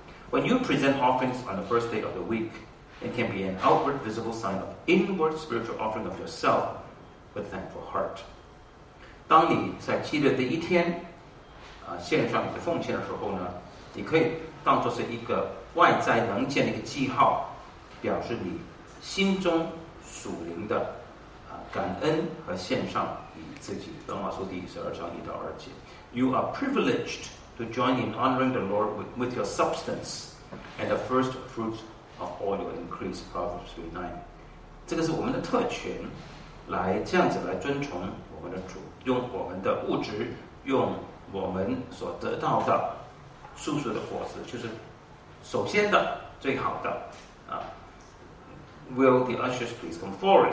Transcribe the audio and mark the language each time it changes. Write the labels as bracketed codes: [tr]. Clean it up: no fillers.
[en] When you present offerings on the first day of the week, it can be an outward visible sign of inward spiritual offering of yourself with thankful heart. [zh] 当你在七日的一天献上你的奉献的时候呢，你可以当作是一个外在能见的一个记号，表示你心中属灵的感恩和献上你自己。 [en] 罗马书12:1-2。You are privileged. To join in honoring the Lord with your substance and the first fruits of all your increase, Proverbs 3:9. [zh] 这个是我们的特权，来这样子来遵从我们的主，用我们的物质，用我们所得到的素素的果实，就是首先的最好的 [en] Will the ushers please come forward?